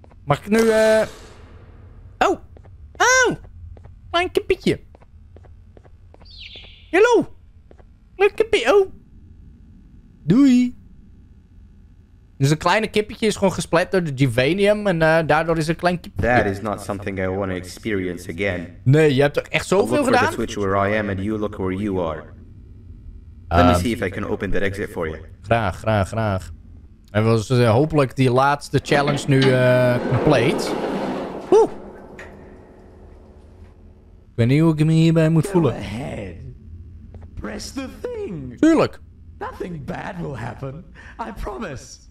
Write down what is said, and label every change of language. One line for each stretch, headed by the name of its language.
Dutch: Mag ik nu, Oh! Oh! Klein kippietje. Hallo! Klein kippie, oh! Doei! Dus een kleine kippetje is gewoon gesplet door de Givanium en daardoor is een klein kippetje.
English: That is not something I want to experience again.
Dutch: Nee, je hebt echt zoveel gedaan.
English: I'll look for the switch where I am and you look where you are. Let me see if I can open that exit for you.
Dutch: Graag, graag, graag. En we zijn hopelijk die laatste challenge nu compleet. Oeh! Ik weet niet hoe ik me hierbij moet voelen.
English: Go ahead. Press the thing.
Dutch: Tuurlijk.
English: Nothing bad will happen. I promise.